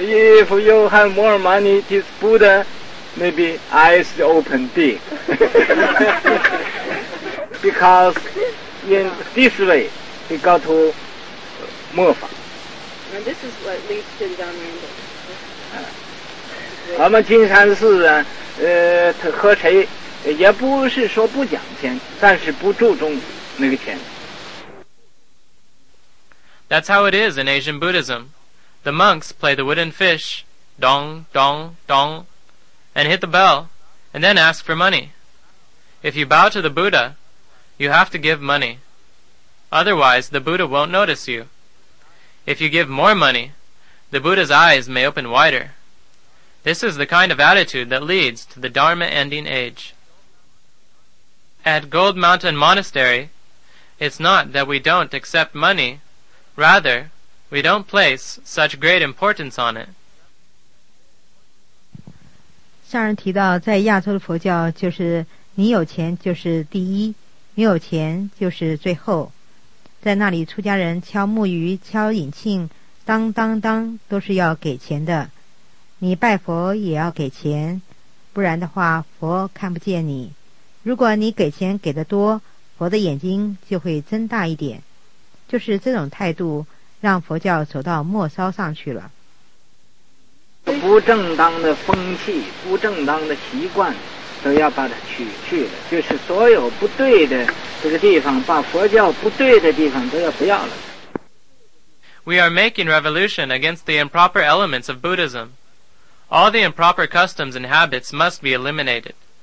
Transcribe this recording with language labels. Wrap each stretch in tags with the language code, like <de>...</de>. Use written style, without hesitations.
<en>If you have more money, this Buddha, maybe eyes open big. Because in this way, he got to 末法。 And this is what leads to the Dharma.</en> <zh>我们金山寺啊，和谁也不是说不讲钱，但是不注重那个钱。</zh> <en>That's how it is in Asian Buddhism. The monks play the wooden fish, dong, dong, dong, and hit the bell, and then ask for money. If you bow to the Buddha, you have to give money. Otherwise, the Buddha won't notice you. If you give more money, the Buddha's eyes may open wider. This is the kind of attitude that leads to the Dharma ending age. At Gold Mountain Monastery, it's not that we don't accept money,Rather, we don't place such great importance on it.</en> <zh>上人提到，在亚洲的佛教，就是你有钱就是第一，没有钱就是最后。在那里，出家人敲木鱼、敲引磬，当当当，都是要给钱的。你拜佛也要给钱，不然的话，佛看不见你。如果你给钱给得多，佛的眼睛就会睁大一点。就是这种态度让佛教走到末梢上去了。不正当的风气，不正当的习惯都要把它取去了，就是所有不对的这个地方，把佛教不对的地方都要不要了。</zh> <en>We are making revolution against the improper elements of Buddhism. All the improper customs and habits must be eliminated.</en>